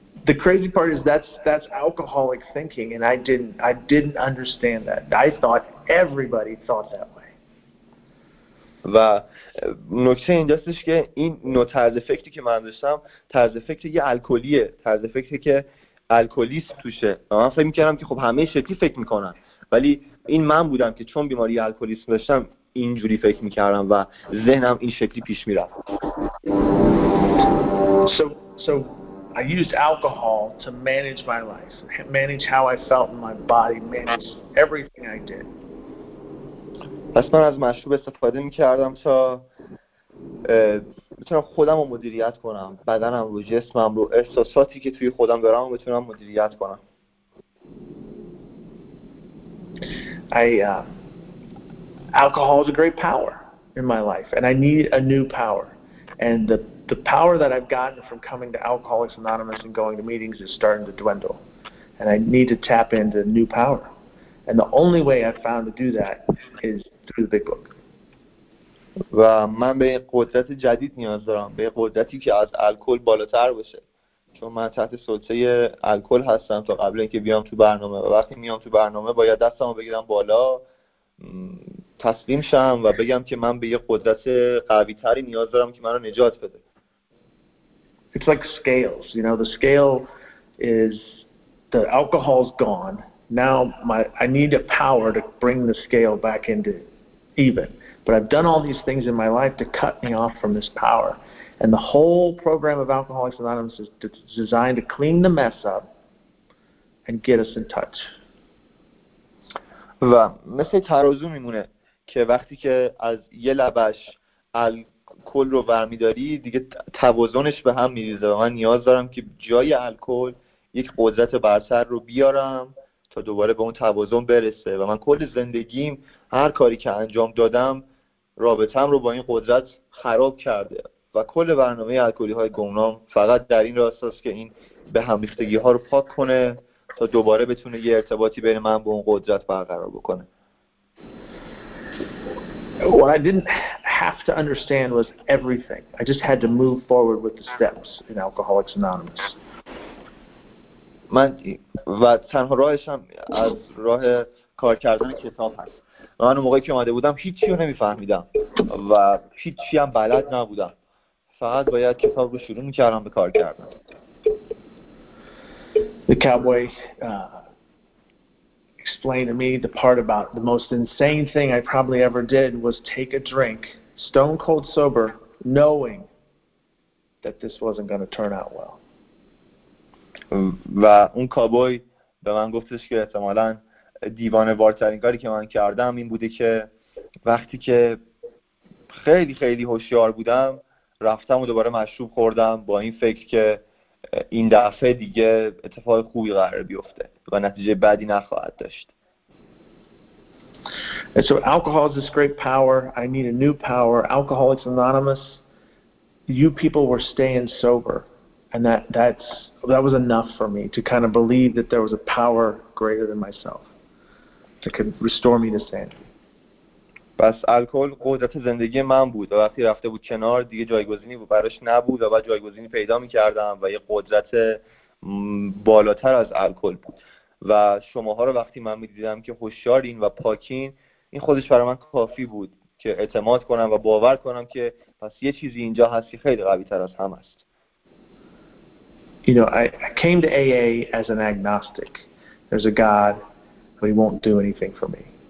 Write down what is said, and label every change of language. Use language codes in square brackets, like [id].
[en] The crazy part is that's alcoholic thinking and I didn't understand that. I thought everybody thought that way. [fa] و نکته اینجاستش که این نوع طرز فکری که من داشتم طرز فکر یه الکلیه، طرز فکری که الکلیست توشه. من فکر می‌کردم که خب همه شکلی فکر می‌کنن، ولی این من بودم که چون بیماری الکلیسم داشتم اینجوری فکر میکردم و ذهنم این شکلی پیش میرفت. [en] So I used alcohol to manage my life, manage how I felt in my body, manage everything I did. [fa] پس من از مشروب استفاده میکردم تا بتونم خودم رو مدیریت کنم، بدنم رو، جسمم رو، احساساتی که توی خودم دارم رو بتونم مدیریت کنم. [en] Alcohol is a great power in my life, and I need a new power. And the power that I've gotten from coming to Alcoholics Anonymous and going to meetings is starting to dwindle. And I need to tap into new power. And the only way I've found to do that is through the Big Book. [fa] و من به قدرت جدید نیاز دارم، به قدرتی که از الکل بالاتر باشه، چون من تحت سلطه الکل هستم تا قبل اینکه بیام تو برنامه، و وقتی میام تو برنامه باید دستمو بگیرم بالا، تسلیم شم و بگم که من به یه قدرت قوی تری نیاز دارم که منو نجات بده. [en] It's like scales, you know, the scale is the alcohol's gone. Now I need a power to bring the scale back into even. But I've done all these things in my life to cut me off from this power. And the whole program of Alcoholics Anonymous is designed to clean the mess up and get us in touch. [fa] و مثل ترازو میمونه که وقتی که از یه لبش الکل رو برمیداری دیگه توازنش به هم میریزه و من نیاز دارم که جای الکل یک قدرت برتر رو بیارم تا دوباره به اون توازن برسه و من کل زندگیم هر کاری که انجام دادم رابطم رو با این قدرت خراب کرده و کل برنامه الکلی های گمنام فقط در این راستاست که این به هم ریختگی ها رو پاک کنه تا دوباره بتونه یه ارتباطی بین من با اون قدرت برقرار بکنه. [en] What I didn't have to understand was everything. I just had to move forward with the steps in Alcoholics Anonymous. [fa] من و تنها راهشم از راه کار کردن کتاب هست. من اون موقعی که اومده بودم هیچی رو نمی‌فهمیدم و هیچی هم بلد نبودم. فقط باید کتاب رو شروع می‌کردم به کار کردن. [en] The cowboy explained to me the part about the most insane thing I probably ever did was take a drink, stone cold sober, knowing that this wasn't going to turn out well. [fa] و اون کابوی به من گفتش که احتمالاً دیوانه وارترین کاری که من کردم این بوده که وقتی که خیلی خیلی هوشیار بودم رفتم و دوباره مشروب خوردم با این فکر که این دفعه دیگه اتفاق خوبی قرار بیفته و نتیجه بدی نخواهد داشت. [en] So alcohol is this great power. I need a new power. Alcoholics Anonymous. You people were staying sober, and that was enough for me to kind of believe that there was a power greater than myself that could restore me to sanity. [fa] بس الکل قدرت زندگی من بود و وقتی رفته بود کنار دیگه جایگزینی براش نبود و بعد جایگزینی پیدا می‌کردم و یه قدرت بالاتر از الکل بود و شماها رو وقتی من می‌دیدم که هوشیارین و پاکین این خودش برای من کافی بود که اعتماد کنم و باور کنم که پس یه چیزی اینجا هست که خیلی قوی تر از هم است. [en] You know, I came to AA as an agnostic. There's a God, but he won't do anything for me.